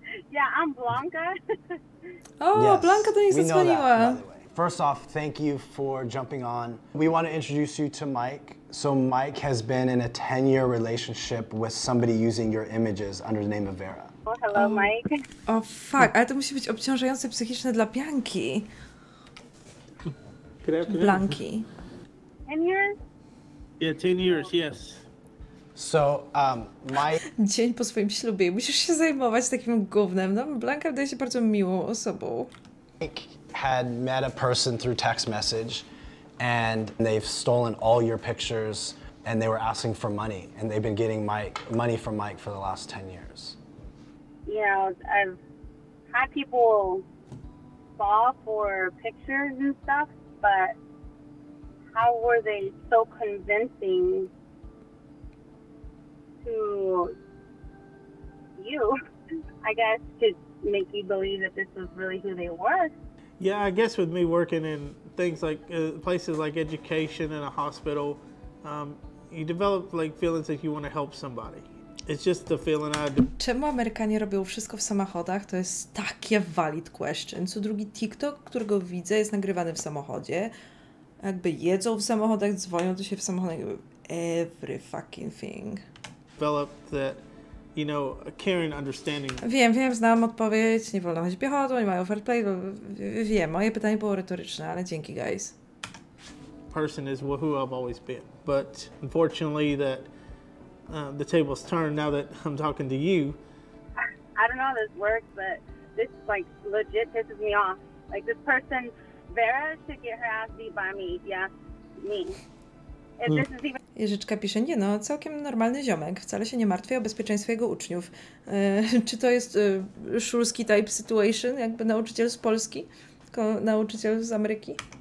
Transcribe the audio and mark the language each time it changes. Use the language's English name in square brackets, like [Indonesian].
[English] Yeah, I'm Blanca. Oh, yes. Blanca, we know that, by the way. First off, thank you for jumping on. We want to introduce you to Mike. So Mike has been in a 10-year relationship with somebody using your images under the name of Vera. Oh, hello, Mike. Oh, fuck. [Polish] Ale to musi być obciążające psychiczne dla Bianki. Blanki. [English] 10 years? Yeah, 10 years, yes. So, my... [Polish] Dzień po swoim ślubie. Musisz się zajmować takim gównem. No, Blanka wydaje się bardzo miłą osobą. [English] Mike had met a person through text message, and they've stolen all your pictures, and they were asking for money, and they've been getting money from Mike for the last 10 years. Yeah, I've had people fall for pictures and stuff, but how were they so convincing to you, I guess, to make you believe that this was really who they were? Yeah, I guess with me working in things like places like education and a hospital, you develop like feelings that you want to help somebody. It's just the feeling I do. [Polish] Czemu Amerykanie robią wszystko w samochodach? To jest takie [English] valid question. [Polish] Co drugi TikTok, którego widzę, jest nagrywany w samochodzie. Jakby jedzą w samochodach, dzwonią do siebie w samochodach. [English] Every fucking thing. Developed that you know, a caring understanding. [Polish] Wiem, znam odpowiedź, nie wolno chodzić piechotą, nie mają fair play, bo wiem, moje pytanie było retoryczne, ale dzięki, guys. [English] Person is who I've always been, but unfortunately that the table's turned now that I'm talking to you. I don't know how this works, but this, like, legit pisses me off. Like, this person, Vera, should get her ass beat by me, yeah, me. [Polish] Jerzyczka pisze, nie no, całkiem normalny ziomek, wcale się nie martwię o bezpieczeństwo jego uczniów. Czy to jest szulski [English] type situation, [Polish] jakby nauczyciel z Polski, tylko nauczyciel z Ameryki?